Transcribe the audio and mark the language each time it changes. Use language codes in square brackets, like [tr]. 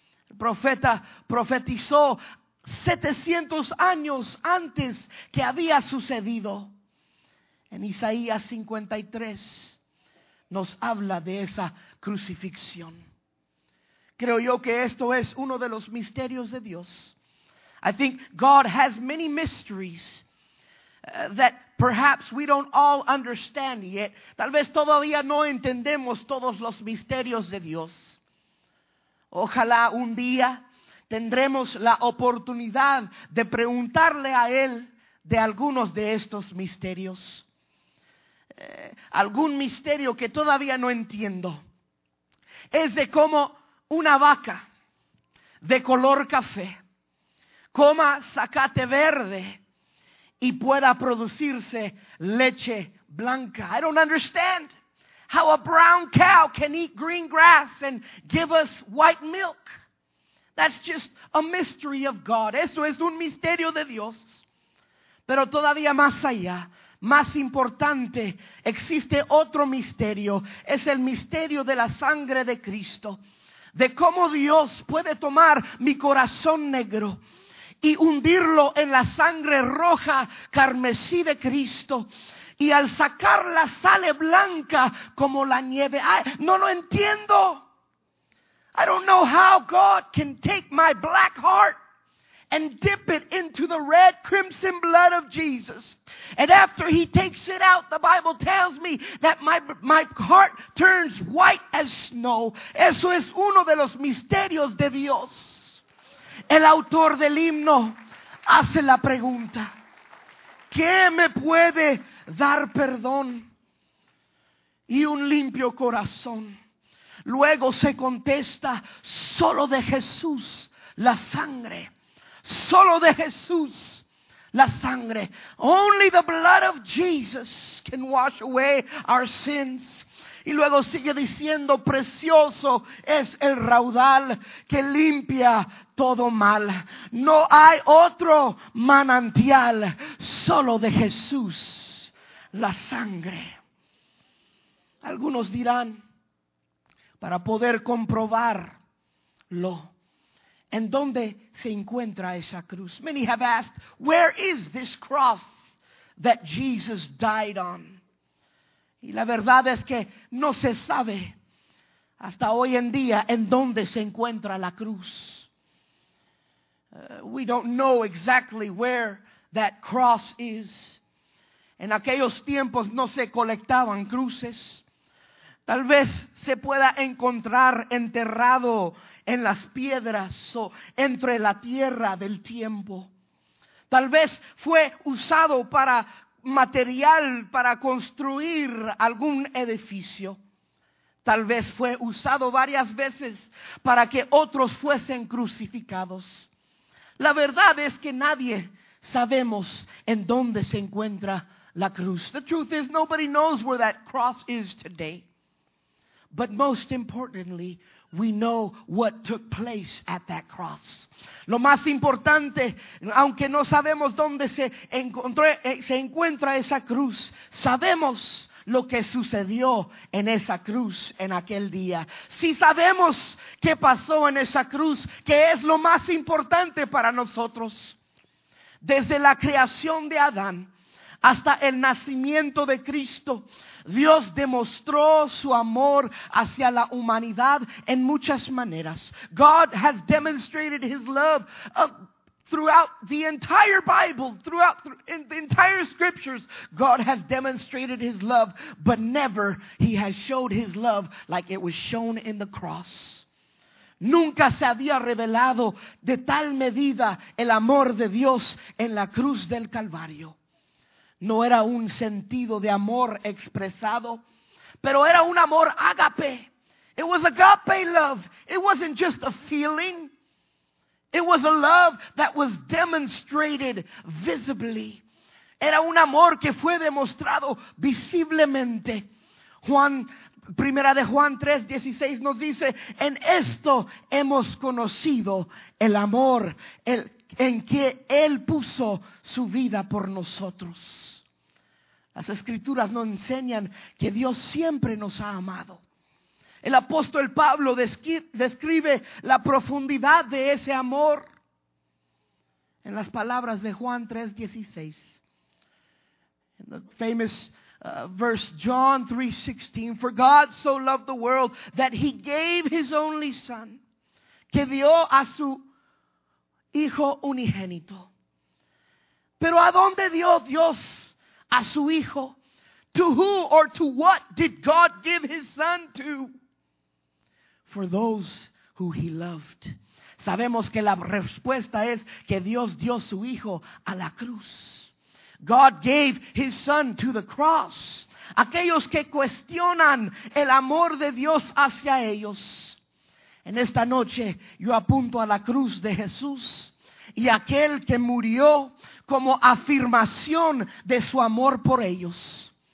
[es] El profeta profetizó 700 años antes que había sucedido. En Isaías 53 nos habla de esa crucifixión. Creo yo que esto es uno de los misterios de Dios. [en] I think God has many mysteries that perhaps we don't all understand yet. [es] Tal vez todavía no entendemos todos los misterios de Dios. Ojalá un día tendremos la oportunidad de preguntarle a Él de algunos de estos misterios. Algún misterio que todavía no entiendo es de cómo una vaca de color café coma zacate verde y pueda producirse leche blanca. [en] I don't understand how a brown cow can eat green grass and give us white milk. That's just a mystery of God. [es] Eso es un misterio de Dios. Pero todavía más allá, más importante, existe otro misterio. Es el misterio de la sangre de Cristo. De cómo Dios puede tomar mi corazón negro y hundirlo en la sangre roja carmesí de Cristo y al sacarla sale blanca como la nieve. No lo entiendo. [en] I don't know how God can take my black heart and dip it into the red crimson blood of Jesus. And after he takes it out, the Bible tells me that my heart turns white as snow. [es] Eso es uno de los misterios de Dios. El autor del himno hace la pregunta, ¿qué me puede dar perdón y un limpio corazón? Luego se contesta, solo de Jesús la sangre. Solo de Jesús la sangre. [en] Only the blood of Jesus can wash away our sins. [es] Y luego sigue diciendo, precioso es el raudal que limpia todo mal. No hay otro manantial, solo de Jesús la sangre. Algunos dirán, para poder comprobarlo, ¿en dónde se encuentra esa cruz? [en] Many have asked, where is this cross that Jesus died on? [es] Y la verdad es que no se sabe hasta hoy en día en dónde se encuentra la cruz. [en] We don't know exactly where that cross is. [es] En aquellos tiempos no se colectaban cruces. Tal vez se pueda encontrar enterrado en las piedras o entre la tierra del tiempo. Tal vez fue usado para material para construir algún edificio. Tal vez fue usado varias veces para que otros fuesen crucificados. La verdad es que nadie sabemos en dónde se encuentra la cruz. [en] The truth is nobody knows where that cross is today. But most importantly, we know what took place at that cross. [es] Lo más importante, aunque no sabemos dónde se encuentra esa cruz, sabemos lo que sucedió en esa cruz en aquel día. Si sabemos qué pasó en esa cruz, que es lo más importante para nosotros. Desde la creación de Adán hasta el nacimiento de Cristo, Dios demostró su amor hacia la humanidad en muchas maneras. [en] God has demonstrated his love throughout the entire Bible, in the entire scriptures. God has demonstrated his love, but never he has showed his love like it was shown in the cross. [es] Nunca se había revelado de tal medida el amor de Dios en la cruz del Calvario. No era un sentido de amor expresado, pero era un amor agape. [en] It was agape love. It wasn't just a feeling. It was a love that was demonstrated visibly. [es] Era un amor que fue demostrado visiblemente. Juan, primera de Juan 3:16 nos dice, en esto hemos conocido el amor en que Él puso su vida por nosotros. Las escrituras nos enseñan que Dios siempre nos ha amado. El apóstol Pablo describe la profundidad de ese amor en las palabras de Juan 3:16. [en] In the famous verse John 3:16, for God so loved the world that he gave his only son, [es] que dio a su hijo unigénito. Pero ¿a dónde dio Dios a su hijo? [en] To who or to what did God give his son to? For those who he loved. [es] Sabemos que la respuesta es que Dios dio su hijo a la cruz. [en] God gave his son to the cross. [es] Aquellos que cuestionan el amor de Dios hacia ellos. En esta noche yo apunto a la cruz de Jesús y aquel que murió como afirmación de su amor por ellos.